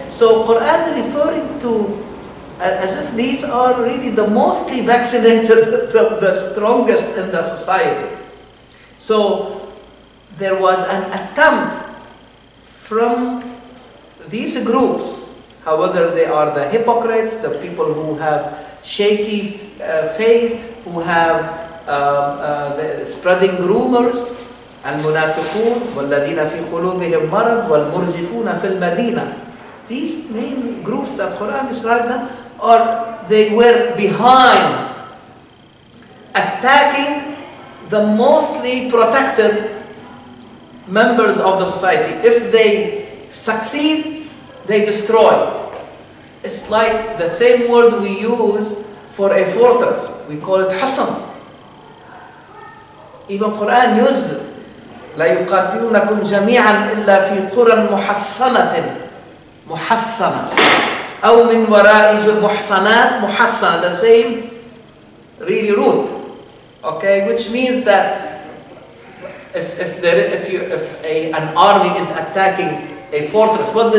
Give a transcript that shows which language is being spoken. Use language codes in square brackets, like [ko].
[en] So Quran referring to, as if these are really the mostly vaccinated, the strongest in the society. So there was an attempt from these groups, however they are the hypocrites, the people who have shaky faith, who have spreading rumors. [ar] المنافقون والذين في قلوبهم مرض والمرجفون في المدينة. [en] These main groups that Quran described them are, they were behind attacking the mostly protected members of the society. If they succeed, they destroy. It's like the same word we use for a fortress. We call it حصن. Even Quran uses it. [ar] لا يقاتلونكم جميعا إلا في قرى محصنة محصنة أو من وراء محصنات محصنة. [en] The same really root, okay, which means that if an army is attacking a fortress, what do?